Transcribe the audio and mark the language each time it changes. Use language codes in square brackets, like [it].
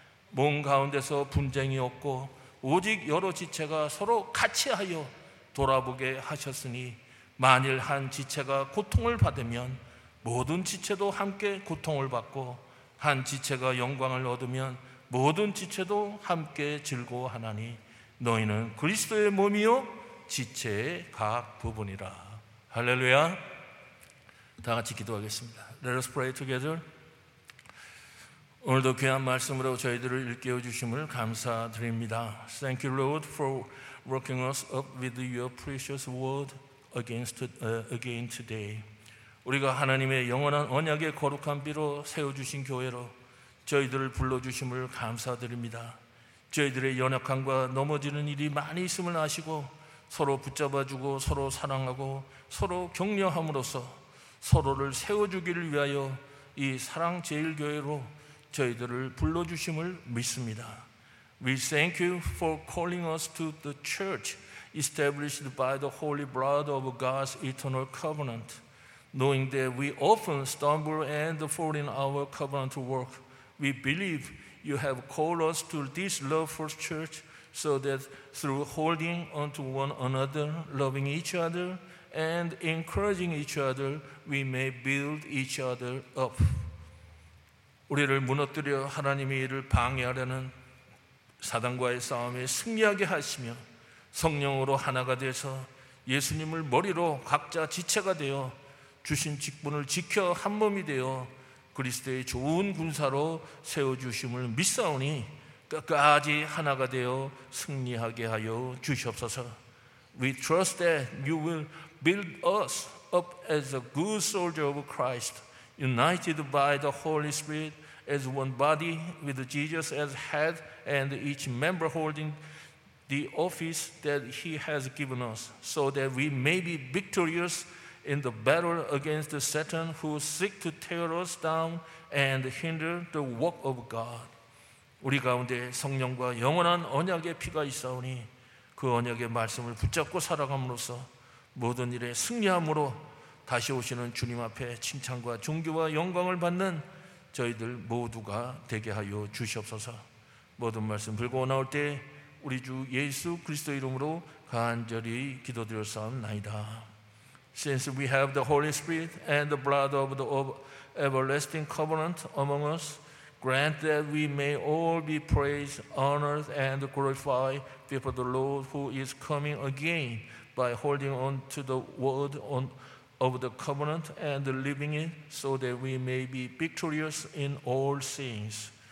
[ko] 몸 가운데서 분쟁이 없고 오직 여러 지체가 서로 같이 하여 돌아보게 하셨으니 만일 한 지체가 고통을 받으면 모든 지체도 함께 고통을 받고 한 지체가 영광을 얻으면 모든 지체도 함께 즐거워하나니 너희는 그리스도의 몸이요 지체의 각 부분이라. 할렐루야. 다 같이 기도하겠습니다. [en] Let us pray together. [ko] 오늘도 귀한 말씀으로 저희들을 일깨워 주심을 감사드립니다. [en] Thank you, Lord, for working us up with your precious word again today. [ko] 우리가 하나님의 영원한 언약의 거룩한 비로 세워주신 교회로 저희들을 불러주심을 감사드립니다. 저희들의 연약함과 넘어지는 일이 많이 있음을 아시고 서로 붙잡아주고 서로 사랑하고 서로 격려함으로써 서로를 세워주기를 위하여 이 사랑제일교회로 저희들을 불러주심을 믿습니다. [en] We thank you for calling us to the church established by the holy blood of God's eternal covenant. Knowing that we often stumble and fall in our covenant work, we believe you have called us to this love for church so that through holding on to one another, loving each other, and encouraging each other, we may build each other up. [ko] 우리를 무너뜨려 하나님의 일을 방해하려는 사단과의 싸움에 승리하게 하시며 성령으로 하나가 돼서 예수님을 머리로 각자 지체가 되어 주신 직분을 지켜 한 몸이 되어 그리스도의 좋은 군사로 세워주심을 믿사오니 끝까지 하나가 되어 승리하게 하여 주시옵소서. [en] We trust that you will build us up as a good soldier of Christ, united by the Holy Spirit as one body with Jesus as head and each member holding the office that he has given us so that we may be victorious in the battle against Satan who seek to tear us down and hinder the work of God. [ko] 우리 가운데 성령과 영원한 언약의 피가 있사오니 그 언약의 말씀을 붙잡고 살아감으로써 모든 일에 승리함으로 다시 오시는 주님 앞에 칭찬과 존귀와 영광을 받는 저희들 모두가 되게 하여 주시옵소서. 모든 말씀 불고 나올 때 우리 주 예수 그리스도 이름으로 간절히 기도드렸사옵나이다. [en] Since we have the Holy Spirit and the blood of the everlasting covenant among us, Grant that we may all be praised, honored, and glorified before the Lord who is coming again by holding on to the word of the covenant and living it so that we may be victorious in all things.